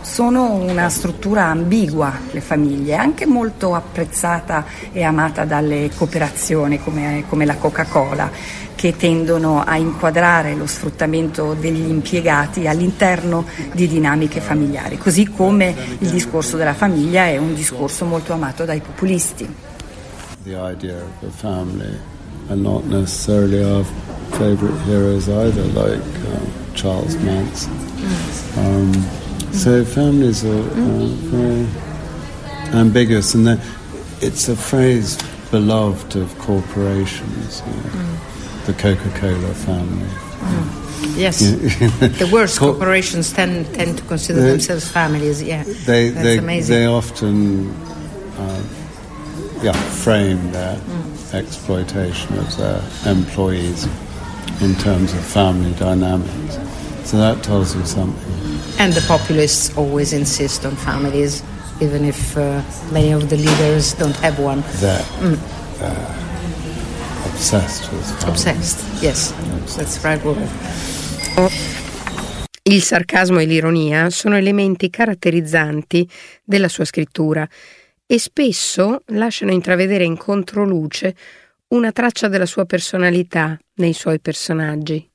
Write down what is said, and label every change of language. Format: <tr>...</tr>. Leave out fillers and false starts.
<it>Sono una struttura ambigua, le famiglie, anche molto apprezzata e amata dalle cooperazioni come la Coca-Cola, che tendono a inquadrare lo sfruttamento degli impiegati all'interno di dinamiche familiari, così come il discorso della famiglia è un discorso molto amato dai populisti.</it> <en>The idea of the family, and not necessarily our favorite heroes either, like Charles Manson. So families are very ambiguous, and it's a phrase beloved of corporations, the Coca-Cola family. Yes, the worst corporations tend to consider themselves families. Yeah, they amazing. They often frame their exploitation of their employees in terms of family dynamics. So that tells you something. And the populists always insist on families, even if many of the leaders don't have one. They're obsessed with families. Obsessed, yes. Obsessed. That's right.</en> <it>Il sarcasmo e l'ironia sono elementi caratterizzanti della sua scrittura e spesso lasciano intravedere in controluce una traccia della sua personalità nei suoi personaggi.</it>